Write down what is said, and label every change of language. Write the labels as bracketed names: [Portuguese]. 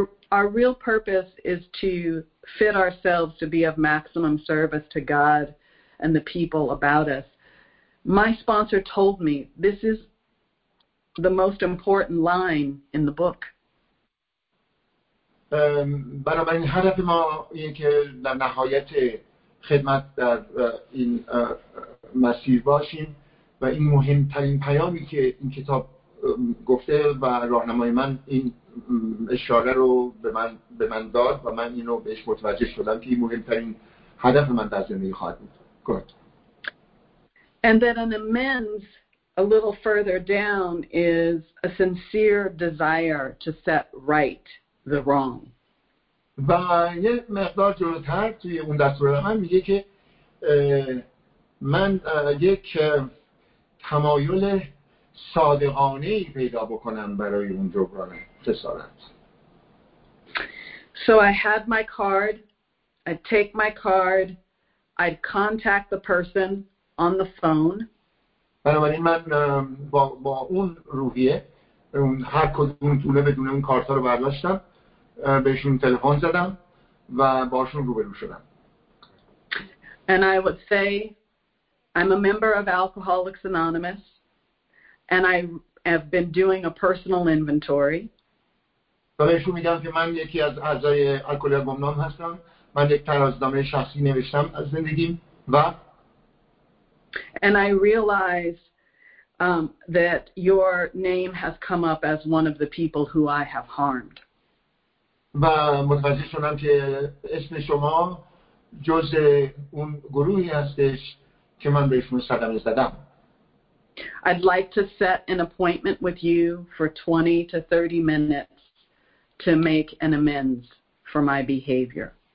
[English] Our real purpose is to fit ourselves to be of maximum service to God and the people about us. My sponsor told me this is the most important line in the book. [Persian] بنابراین هدف ما اینه که در نهایت خدمت در این مسیر باشیم و این مهمترین پیامی که این کتاب گفته و راهنمای من این اشاره رو به من داد و من اینو بهش متوجه شدم که این مهمترین هدف من در زندگی خواهد بود. [English] Good. And then an amends a little further down is a sincere desire to set right the wrong. [Persian] و یه مقدار جلوتر توی اون دستور هم میگه که من یک تمایل صادقانه ای پیدا بکنم برای اون جبران خسارت. [English] So I had my card. I'd take my card. I'd contact the person on the phone. [Persian] بنابراین من با اون روحیه اون هر کدوم دونه به دونه اون کارت‌ها رو برداشتم، بهشون تلفن زدم و باهاشون روبرو شدم. [English] And I would say I'm a member of Alcoholics Anonymous and I have been doing a personal inventory. [Persian] بهشون میگم که من یکی از اعضای الکلیه گمنام هستم، من یک ترازنامه شخصی نوشتم از زندگیم و [English] And I realize that your name has come up as one of the people who I have harmed. [Persian] و متوجه شدم که اسم شما جز اون گروهی هستش که من بهشون صدمه زدم. [English] I'd like to set an appointment with you for 20 to 30 minutes to make an amends for my behavior.